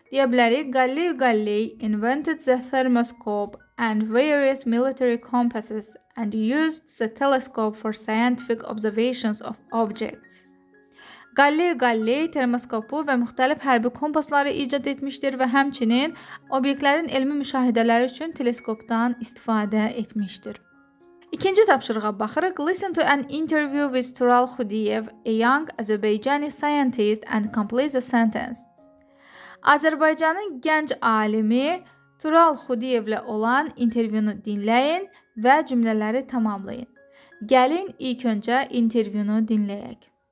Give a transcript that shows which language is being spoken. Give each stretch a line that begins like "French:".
Azerbaijani: Deyə bilərik,
English: Galileo Galilei invented the thermoscope and various military compasses and used the telescope for scientific observations of objects.
Azerbaijani: Galileo Galilei termoskopu və müxtəlif hərbi kompasları icad etmişdir və həmçinin obyektlərin elmi müşahidələri üçün teleskopdan istifadə etmişdir. İkinci tapşırığa baxırıq.
English: Listen to an interview with Tural Xudiyev, a young Azerbaijani scientist, and complete the sentence.
Azerbaijani: Azərbaycanın gənc alimi Tural Xudiyevlə olan intervyunu dinləyin və cümlələri tamamlayın. Gəlin ilk öncə intervyunu dinləyək.